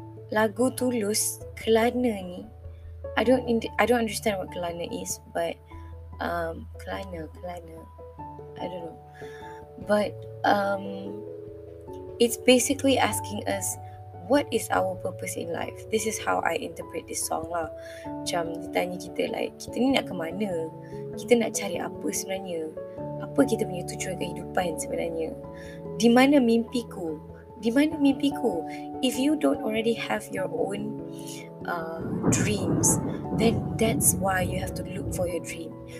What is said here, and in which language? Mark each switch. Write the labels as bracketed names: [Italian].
[Malay] Lagu tulus, kelana ni. [English] I don't understand what kelana is, but kelana, I don't know, but it's basically asking us, what is our purpose in life? This is how I interpret this song lah. [Malay] Macam ditanya kita, like, kita ni nak ke mana? Kita nak cari apa sebenarnya? Apa kita punya tujuan kehidupan sebenarnya? Di mana mimpiku? Di mana mimpiku? [English] If you don't already have your own dreams, then that's why you have to look for your dream.